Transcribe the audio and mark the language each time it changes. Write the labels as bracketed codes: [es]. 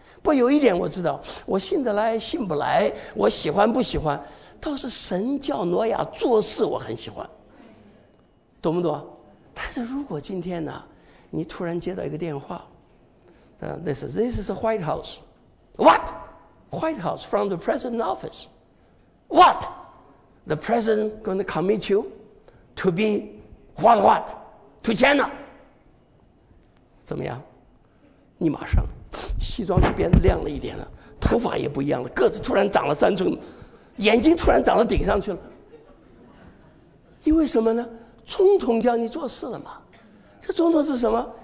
[zh] 不，有一点我知道，我信得来信不来，我喜欢不喜欢，倒是神叫挪亚做事我很喜欢，懂不懂？但是如果今天呢，你突然接到一个电话， [en] This is a White House. What? White House from the President's office. What? The President going to commit you to be what? To China. [zh] 怎么样？你马上西装就变得亮了一点了，头发也不一样了，个子突然长了三寸，眼睛突然长了顶上去了。因为什么呢？总统叫你做事了嘛。这总统是什么？